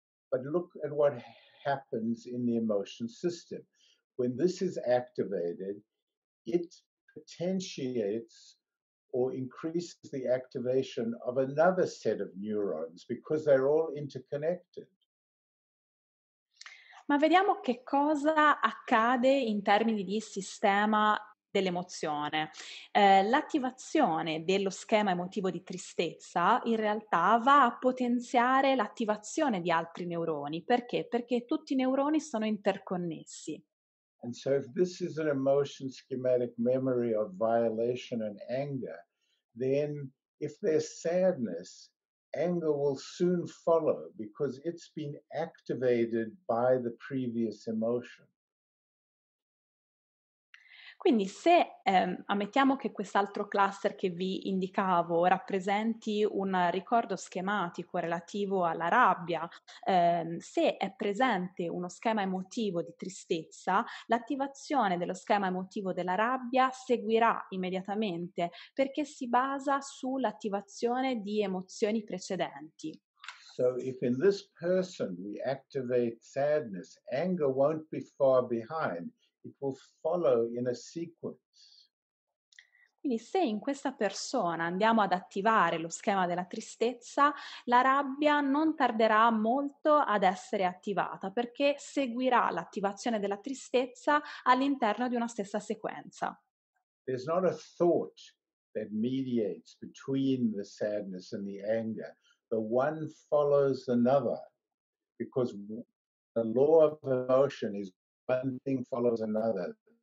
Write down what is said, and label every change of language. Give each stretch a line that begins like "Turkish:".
English: But look at what happens in the emotion system. When this is activated, it potentiates or increases the activation of another set of neurons because they're all interconnected.
Italian: Ma vediamo che cosa accade in termini di sistema dell'emozione. L'attivazione dello schema emotivo di tristezza in realtà va a potenziare l'attivazione di altri neuroni. Perché? Perché tutti i neuroni sono interconnessi.
English: And so if this is an emotion schematic memory of violation and anger, then if there's sadness, anger will soon follow because it's been activated by the previous emotion.
Italian: Quindi se ammettiamo che quest'altro cluster che vi indicavo rappresenti un ricordo schematico relativo alla rabbia, se è presente uno schema emotivo di tristezza, l'attivazione dello schema emotivo della rabbia seguirà immediatamente perché si basa sull'attivazione di emozioni precedenti.
English: So if in this person we activate sadness, anger won't be far behind. It will follow in a sequence.
Italian: Quindi se in questa persona andiamo ad attivare lo schema della tristezza, la rabbia non tarderà molto ad essere attivata perché seguirà l'attivazione della tristezza all'interno di una stessa sequenza.
English: There's not a thought that mediates between the sadness and the anger. The one follows another because the law of emotion is one thing follows another.